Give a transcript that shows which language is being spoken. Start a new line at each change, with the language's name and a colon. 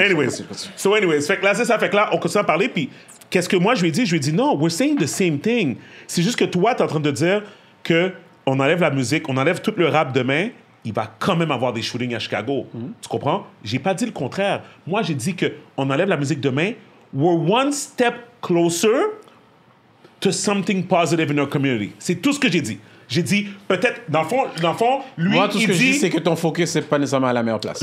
French: Anyways. So, anyways, fait que là, c'est ça. Fait que là, on continue à parler. Puis, qu'est-ce que moi, je lui ai dit? Je lui ai dit, non,
English: we're saying the same thing.
French: C'est juste que toi, t'es en train de dire qu'on enlève la musique, on enlève tout le rap demain. Il va quand même avoir des shootings à Chicago. Tu comprends? J'ai pas dit le contraire. Moi, j'ai dit qu'on enlève la musique demain.
English: We're one step closer to something positive in our community.
French: C'est tout ce que j'ai dit. J'ai dit, peut-être, dans le fond, lui, moi, tout ce il que dit, je dis, c'est que ton focus, c'est pas nécessairement à la meilleure place.